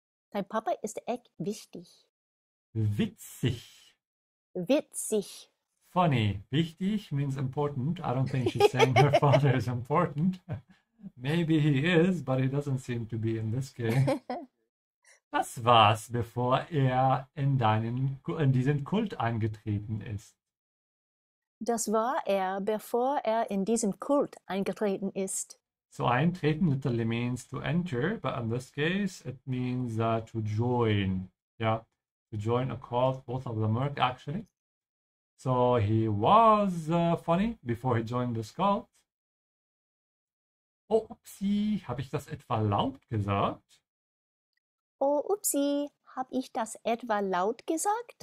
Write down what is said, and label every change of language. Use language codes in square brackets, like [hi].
[de] Dein Papa ist echt wichtig. Witzig. Witzig. [en] Funny. Wichtig means important. I don't think she's saying her father is important. Maybe he is, but he doesn't seem to be in this game. [de] Das war's, bevor er in diesen Kult eingetreten ist. Das war er, bevor er in diesen Kult eingetreten ist. [en] So eintreten literally means to enter, but in this case it means to join. Yeah. To join a cult, both of them work actually. So he was funny before he joined this cult. [de] Oh, upsie, habe ich das etwa laut gesagt? Oh, upsie, habe ich das etwa laut gesagt?